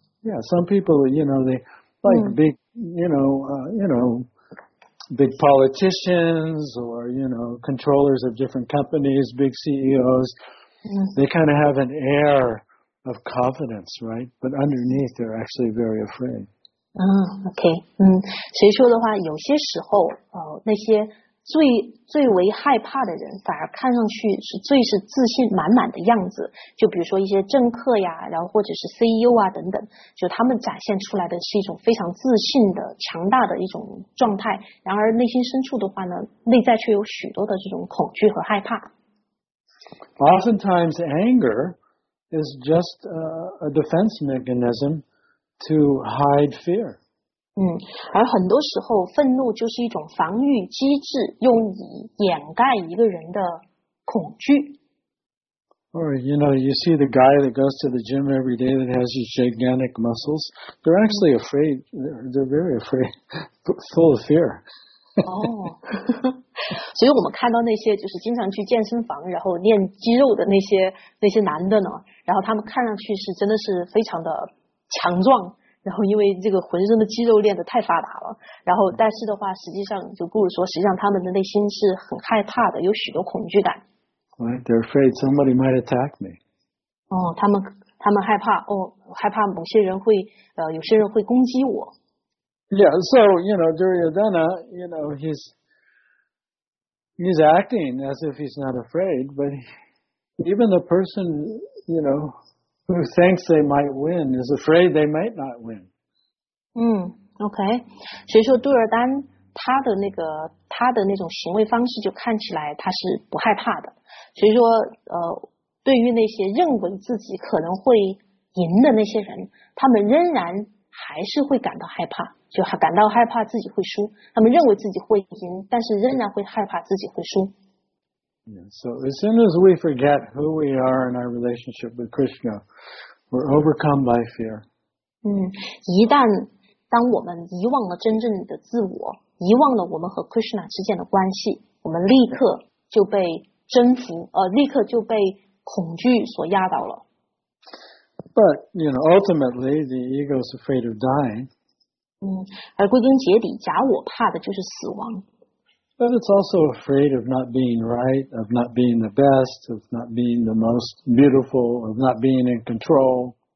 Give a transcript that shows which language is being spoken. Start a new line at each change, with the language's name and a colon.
English: Yeah, some people, you know, they like big, big politicians or, you know, controllers of different companies, big CEOs. They kind of have an air of confidence, right? But underneath, they're actually very afraid.
Chinese: 所以说的话，有些时候，那些最为害怕的人，反而看上去是最是自信满满的样子。就比如说一些政客呀，然后或者是 CEO 啊等等，就他们展现出来的是一种非常自信的、强大的一种状态。然而内心深处的话呢，内在却有许多的这种恐惧和害怕。
English: Oftentimes, anger is just a defense mechanism. To hide fear.
Chinese: 而很多时候愤怒就是一种防御机制，用以掩盖一个人的恐惧。
English: Or, you know, you see the guy that goes to the gym every day that has these gigantic muscles. They're actually afraid. They're very afraid. Full of fear.
Chinese: 所以我们看到那些就是经常去健身房然后练肌肉的那些男的呢，然后他们看上去是真的是非常的强壮，然后因为这个浑身的肌肉练得太发达了，然后但是的话，实际上就不如说，实际上他们的内心是很害怕的，有许多恐惧感。
English: Right, they're afraid somebody might attack me.
Chinese: 他们害怕害怕某些人会有些人会攻击我。
English: Yeah, so you know, Duryodhana, you know, he's acting as if he's not afraid, but even the person, you know. Who thinks they might win is afraid they might not win. Okay.
Chinese: 所以说杜尔丹他的那种行为方式就看起来他是不害怕的。所以说对于那些认为自己可能会赢的那些人，他们仍然还是会感到害怕，就感到害怕自己会输。他们认为自己会赢，但是仍然会害怕自己会输。
English: Yeah, so as soon as we forget who we are in our relationship with Krishna, we're overcome by fear.
Chinese: 一旦当我们遗忘了真正的自我，遗忘了我们和 Krishna 之间的关系，我们立刻就被征服，立刻就被恐惧所压倒了。
English: But you know, ultimately, the ego is afraid of dying.
Chinese: 而归根结底，假我怕的就是死亡。
English: But it's also afraid of not being right, of not being the best, of not being the most beautiful, of not being in control.